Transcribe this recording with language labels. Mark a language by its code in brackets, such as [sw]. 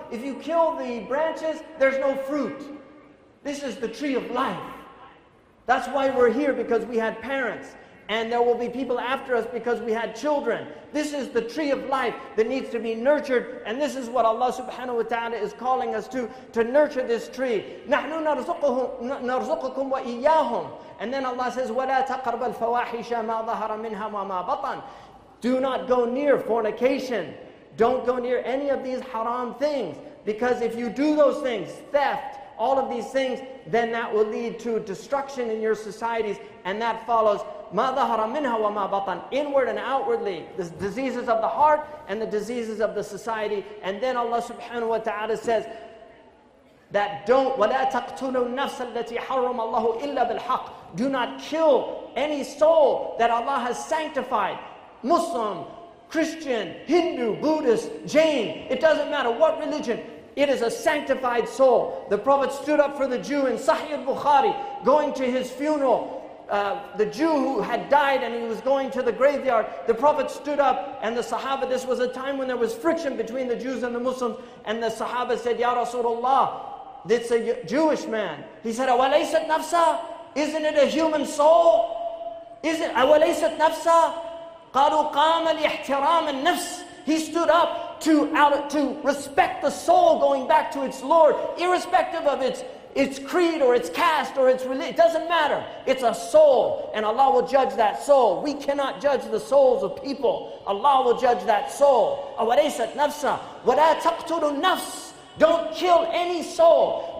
[en] If you kill the branches, there's no fruit. This is the tree of life. That's why we're here, because we had parents. And there will be people after us because we had children. This is the tree of life that needs to be nurtured. And this is what Allah subhanahu wa ta'ala is calling us to nurture this tree. [ar] نَحْنُ نَرْزُقُكُمْ وَإِيَّاهُمْ. [en] And then Allah says, [ar] وَلَا تَقْرَبَ الْفَوَاحِشَ مَا ظَهَرَ مِنْهَا وَمَا بَطَنْ. [en] Do not go near fornication. Don't go near any of these haram things. Because if you do those things, theft, all of these things, then that will lead to destruction in your societies. And that follows, [ar] مَا ظَهَرَ مِنْهَا وَمَا بَطَنْ. [en] Inward and outwardly, the diseases of the heart and the diseases of the society. And then Allah subhanahu wa ta'ala says, that don't, [ar] وَلَا تَقْتُلُوا النَّفْسَ الَّتِي حَرَّمَ اللَّهُ إِلَّا بِالْحَقِّ. [en] Do not kill any soul that Allah has sanctified. Muslim, Christian, Hindu, Buddhist, Jain, it doesn't matter what religion, it is a sanctified soul. The Prophet stood up for the Jew in Sahih al-Bukhari, going to his funeral. The Jew who had died and he was going to the graveyard, the Prophet stood up and the Sahaba, this was a time when there was friction between the Jews and the Muslims, and the Sahaba said, Ya Rasulullah, it's a Jewish man. [ar] He said, أَوَلَيْسَتْ نَفْسَا. [en] Isn't it a human soul? [ar] أَوَلَيْسَتْ نَفْسَا. قَالُوا قَامَ لِيَحْتِرَامَ النَّفْسِ. [en] He stood up to respect the soul going back to its Lord, irrespective of its creed or its caste or its religion. It doesn't matter. It's a soul, and Allah will judge that soul. We cannot judge the souls of people. Allah will judge that soul. [ar] أَوَلَيْسَتْ نَفْسَ وَلَا تَقْتُلُ النَّفْسِ. [en] Don't kill any soul.